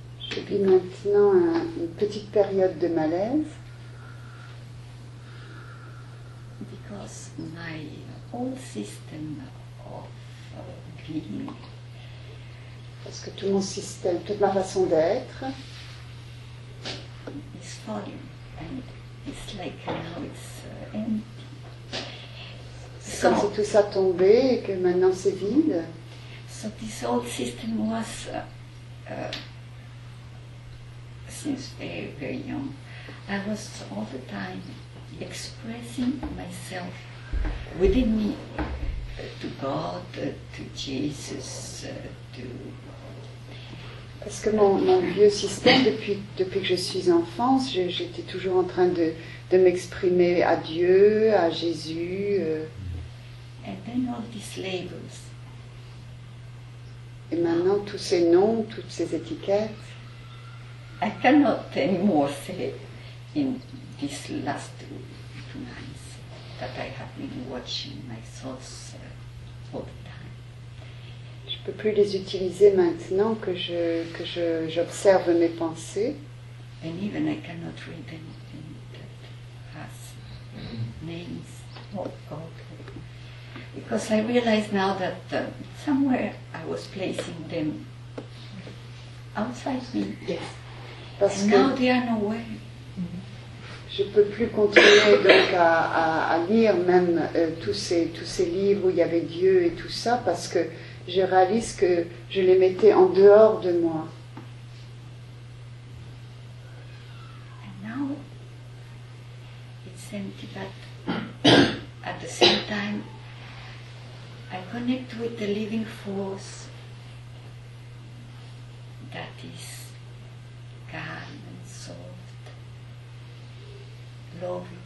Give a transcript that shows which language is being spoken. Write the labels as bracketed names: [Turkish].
[French] Je vis maintenant une petite période de malaise. [English] Because my whole system of being. [French] Parce que tout mon système, toute ma façon d'être. [English] Is falling and it's like now it's empty. [French] C'est comme si tout ça tombait et que maintenant c'est vide. [English] So this whole system was since very, very young, I was all the time expressing myself within me to God, to Jesus, to. [French] Parce que mon vieux système depuis que je suis enfant, j'étais toujours en train de m'exprimer à Dieu, à Jésus. [English] And then all these labels. [French] Et maintenant tous ces noms, toutes ces étiquettes. [English] I cannot anymore say in these last two months that I have been watching my thoughts all the time. [French] Je peux plus les utiliser maintenant que j'observe mes pensées. [English] And even I cannot read anything that has names or God. Because I realize now that somewhere I was placing them outside me. Yes. [French] Parce que [English] now they are nowhere. [French] Je ne peux plus continuer donc à lire même tous ces livres où il y avait Dieu et tout ça parce que je réalise que je les mettais en dehors de moi. [English] And now it's empty, but at the same time I connect with the living force that is calm and soft, loving.